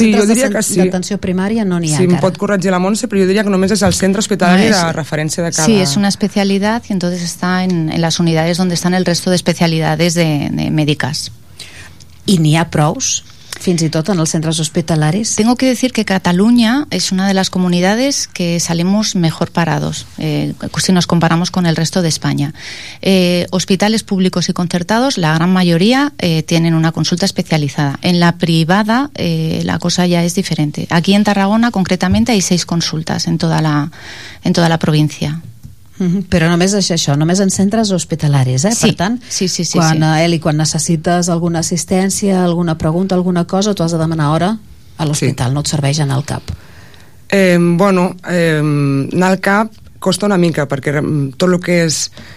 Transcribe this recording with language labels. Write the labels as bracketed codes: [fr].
[ca] centres d'atenció primària no n'hi ha encara. Sí, em pot corregir la Montse, però jo diria que només és el centre hospitalari de referència de cada... Sí, és una especialitat i [es] entonces [ca] està en les unitats on estan [es] el resto de [ca] especialitats de mèdiques. I n'hi ha prous? Fins i tot en els centres hospitalaris. [es] Tengo que decir que Cataluña es una de las comunidades que salimos mejor parados, si nos comparamos con el resto de España. Hospitales públicos y concertados, la gran mayoría tienen una consulta especializada. En la privada la cosa ya es diferente. Aquí en Tarragona concretamente hay 6 consultas en toda la provincia. [ca] Però només això, només en centres hospitalaris, Sí. Per tant, sí. Quan necessites alguna assistència, alguna pregunta, alguna cosa, t'ho has de demanar hora a l'hospital, sí. No et serveix anar al CAP. Anar al CAP costa una mica, perquè tot el que és...